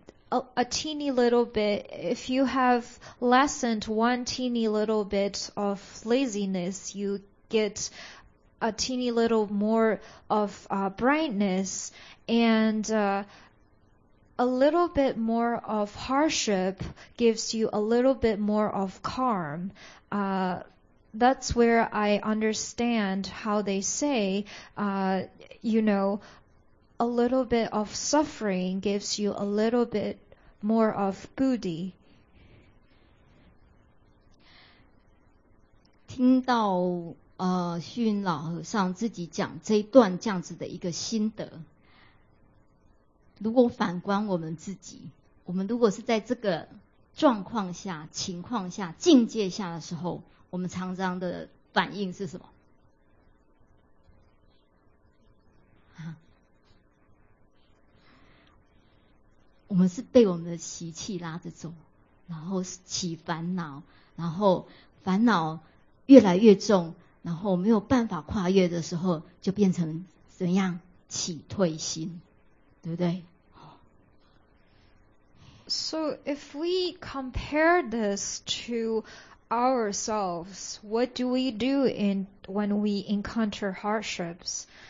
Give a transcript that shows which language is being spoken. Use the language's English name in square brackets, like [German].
[English] A teeny little bit, if you have lessened one teeny little bit of laziness, you get a teeny little more of brightness, and a little bit more of hardship gives you a little bit more of calm. That's where I understand how they say, you know, a little bit of suffering gives you a little bit more of Buddhi. [Chinese] 听到 虚云老和尚自己讲这一段这样子的一个心得， 如果反观我们自己， 我们如果是在这个状况下， 情况下， 境界下的时候， 我们常常的反应是什么？我们是被我们的习气拉着走，然后起烦恼，然后烦恼越来越重，然后没有办法跨越的时候，就变成怎样？起退心，对不对？ [English] So if we compare this to ourselves, what do we do when we encounter hardships?